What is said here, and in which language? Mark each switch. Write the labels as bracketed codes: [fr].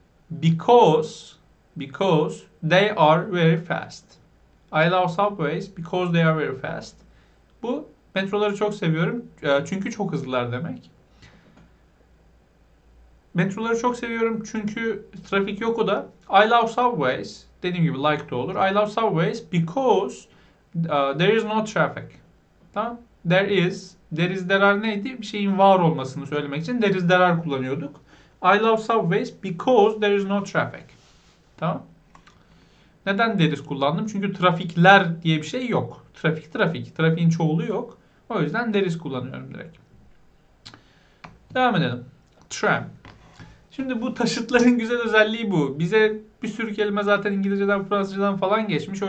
[en] Because they are very fast. I love subways because they are very fast. [tr] Bu metroları çok seviyorum. Çünkü çok hızlılar demek. Metroları çok seviyorum çünkü trafik yok o da. [en] I love subways. [tr] Dediğim gibi like de olur. [en] I love subways because there is no traffic. [tr] Tamam. There are neydi? Bir şeyin var olmasını söylemek için there is, there are kullanıyorduk. [en] I love subways because there is no traffic. [tr] Tamam. Neden there is kullandım? Çünkü trafikler diye bir şey yok. Trafik. Trafiğin çoğulu yok. O yüzden there is kullanıyorum direkt. Devam edelim. Tram. Şimdi bu taşıtların güzel özelliği bu. Bize bir sürü kelime zaten İngilizceden, Fransızcadan falan geçmiş.